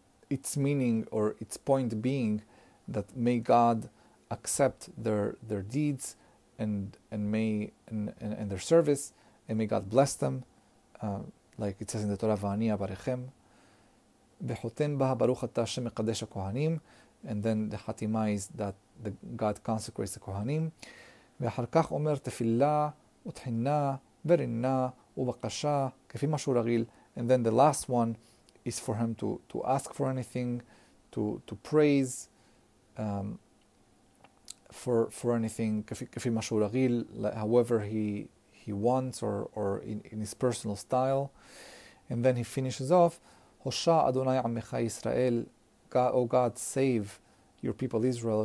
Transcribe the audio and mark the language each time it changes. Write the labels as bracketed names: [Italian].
[English] Its meaning or its point being that may God accept their deeds and their service, and may God bless them, like it says in the Torah, "Va'ani abarechem." [Hebrew] V'chotem ba baruch ata Hashem mekadesh haKohanim. [English] And then the Hatima is that the God consecrates the Kohanim. [Hebrew] ואחר כך אומר תפילה ותחינה ורינה ובקשה כפי משהו רגיל. [English] And then the last one is for him to ask for anything, to praise for anything [Hebrew] כפי משהו רגיל, [English] however he wants or in his personal style. And then he finishes off, [Hebrew] הושע אדוני עמך ישראל, [English] God, oh God, save your people Israel.